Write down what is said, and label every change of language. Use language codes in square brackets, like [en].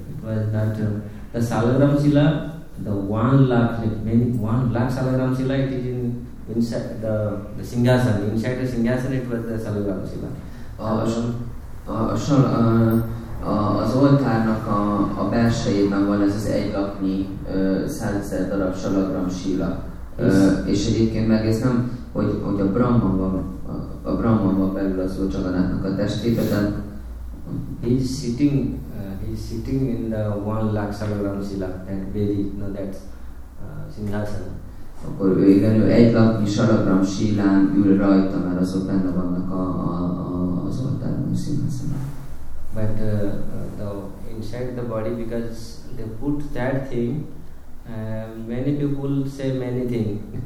[en] It was not the Salagram Shila, the 1 lakh, like many 1 lakh Salagram Shila, it is in inside the Singhasana. Inside the Singhasana, it was the Salagram Shila. [hu] Az oltárnak a belsejében van ez az egy laknyi százezer darab salagram síla. És egyébként meg ez nem, hogy a Brahman van, a Brahman van belül az Ujjadalának a testébe, de... [en] He's sitting in the 1 lakh salagram síla, that very, you know, that Singhasana. [hu] Akkor ő, igen, ő egy laknyi salagram sílán ül rajta, mert azok benne vannak az oltárban, a Singhasana. [en] But the inside the body, because they put that thing, many people say many things.